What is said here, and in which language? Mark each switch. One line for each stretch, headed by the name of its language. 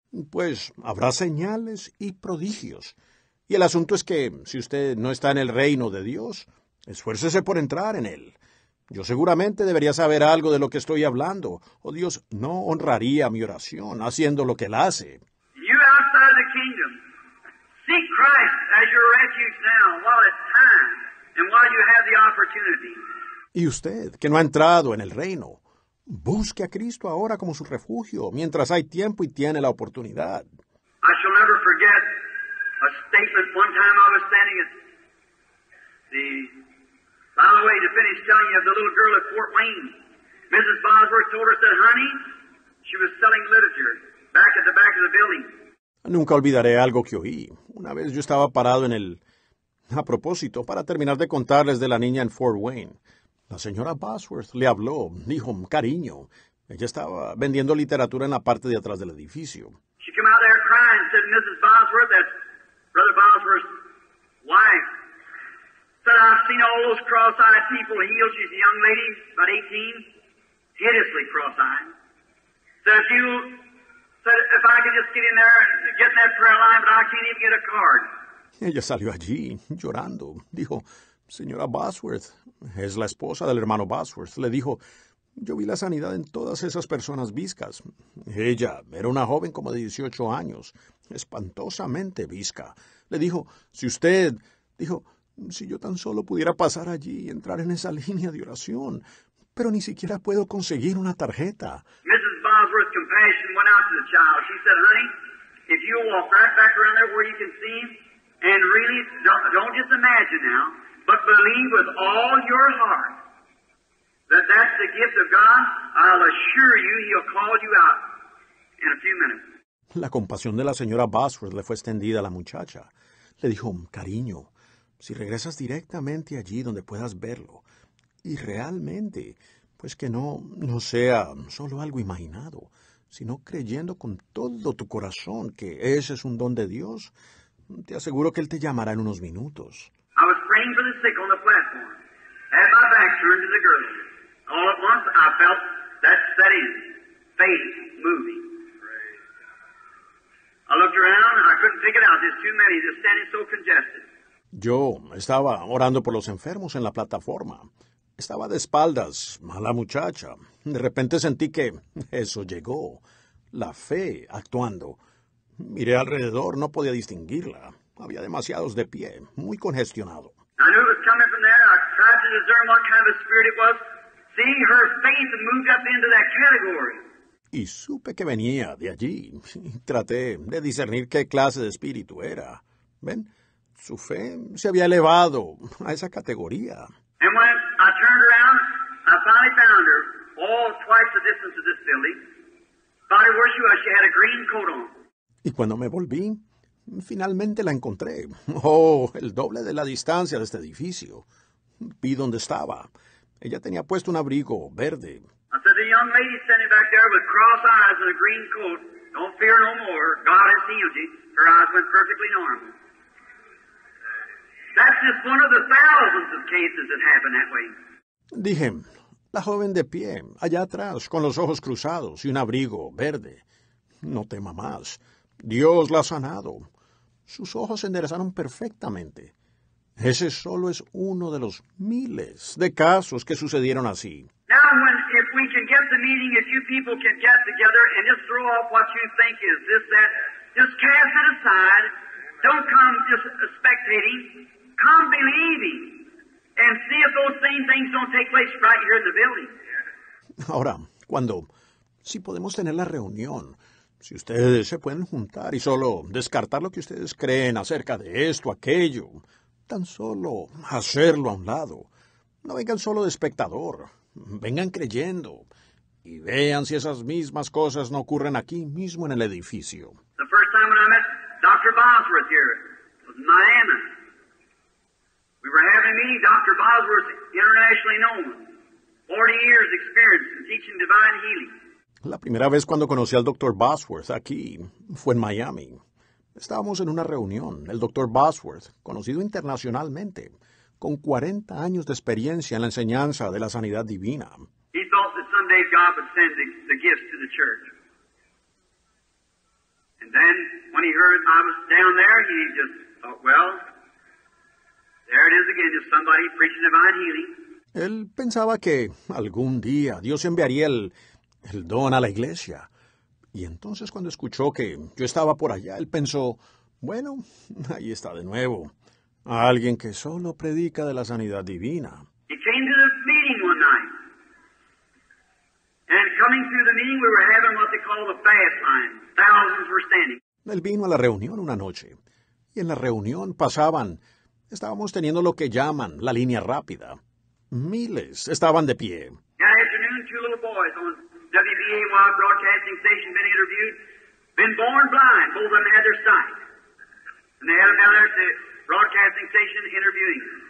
Spanish: Pues habrá señales y prodigios. Y el asunto es que, si usted no está en el reino de Dios, esfuércese por entrar en él. Yo seguramente debería saber algo de lo que estoy hablando, o Dios no honraría mi oración haciendo lo que él hace.
English: You outside the kingdom, seek Christ as your refuge now, while it's time, and while you have the opportunity.
Spanish: Y usted, que no ha entrado en el reino, busque a Cristo ahora como su refugio, mientras hay tiempo y tiene la oportunidad.
English: I shall never forget a statement one time I was standing at the... By the way, to finish telling you of the little girl at Fort Wayne, Mrs. Bosworth told us that, honey, she was selling literature back at the back of the building.
Spanish: Nunca olvidaré algo que oí. Una vez yo estaba parado en el... A propósito, para terminar de contarles de la niña en Fort Wayne, la señora Bosworth le habló, dijo, cariño, ella estaba vendiendo literatura en la parte de atrás del edificio.
English: She came out there crying, said, Mrs. Bosworth, that Brother Bosworth's wife, said, I've seen all those cross-eyed people healed. She's a young lady, about 18, hideously cross-eyed. Said, if I could just get in there and get in that prayer line, but I can't even get a card.
Spanish: Ella salió allí, llorando. Dijo, señora Bosworth, es la esposa del hermano Bosworth. Le dijo, yo vi la sanidad en todas esas personas viscas. Ella era una joven como de 18 años, espantosamente visca. Le dijo, si usted, dijo, si yo tan solo pudiera pasar allí y entrar en esa línea de oración, pero ni siquiera puedo conseguir una tarjeta.
English: Mrs. Bosworth's compassion went out to the child. She said, honey, if you walk right back around there where you can see him, and really, don't just imagine now, but believe with all your heart that that's the gift of God, I'll assure you he'll call you out in a few minutes.
Spanish: La compasión de la señora Bosworth le fue extendida a la muchacha. Le dijo, cariño, si regresas directamente allí donde puedas verlo, y realmente, pues que no sea solo algo imaginado, sino creyendo con todo tu corazón que ese es un don de Dios, te aseguro que él te llamará en unos minutos.
English: I was praying for the sick on the platform. As my back turned to the girl, all at once I felt that steady faith moving. I looked around and I couldn't pick it out. There's too many. They're standing so congested.
Spanish: Yo estaba orando por los enfermos en la plataforma. Estaba de espaldas a la muchacha. De repente sentí que eso llegó. La fe actuando. Miré alrededor, no podía distinguirla. Había demasiados de pie, muy congestionado.
English: I knew it was coming from there. I tried to discern what kind of spirit it was. See, her faith moved up into that category.
Spanish: Y supe que venía de allí. Traté de discernir qué clase de espíritu era. ¿Ven? Su fe se había elevado a esa categoría.
English: And when I turned around, I finally found her, all twice the distance of this building. Body where she was, she had a green coat on.
Spanish: Y cuando me volví, finalmente la encontré. Oh, el doble de la distancia de este edificio. Vi dónde estaba. Ella tenía puesto un abrigo verde.
English: I said, the young lady standing back there with cross eyes and a green coat, don't fear no more. God has healed you. Her eyes went perfectly normal. That's just one of the thousands of cases that happen that way.
Spanish: Dije, la joven de pie, allá atrás, con los ojos cruzados y un abrigo verde. No tema más. Dios la ha sanado. Sus ojos se enderezaron perfectamente. Ese solo es uno de los miles de casos que sucedieron así.
English: Now, when, if we can get the meeting, if you people can get together and just throw off what you think is this, that, just cast it aside. Don't come just spectating. Come believing and see if those same things don't take place right here in the building.
Spanish: Ahora, cuando, si podemos tener la reunión, si ustedes se pueden juntar y solo descartar lo que ustedes creen acerca de esto, aquello, tan solo hacerlo a un lado. No vengan solo de espectador. Vengan creyendo. Y vean si esas mismas cosas no ocurren aquí mismo en el edificio.
English: The first time when I met Dr. Bosworth here was in Miami. We were having a meeting. Dr. Bosworth, internationally known. 40 years experience in teaching divine healing.
Spanish: La primera vez cuando conocí al Dr. Bosworth aquí fue en Miami. Estábamos en una reunión. El Dr. Bosworth, conocido internacionalmente, con 40 años de experiencia en la enseñanza de la sanidad divina.
English: He thought that some day God would send the gifts to the church. And then when he heard I was down there, he just thought, well, there it is again, just somebody preaching divine healing.
Spanish: Él pensaba que algún día Dios enviaría el don a la iglesia. Y entonces cuando escuchó que yo estaba por allá, él pensó, bueno, ahí está de nuevo. Alguien que solo predica de la sanidad divina.
English: He came to this meeting one night. And coming through the meeting, we were having what they call a fast line. Thousands were standing.
Spanish: Él vino a la reunión una noche. Y en la reunión pasaban, estábamos teniendo lo que llaman la línea rápida. Miles estaban de pie.
English: That afternoon, two little boys on WBAY broadcasting station been interviewed, been born blind, both of them had their sight. And they had them down there at the broadcasting station interviewing.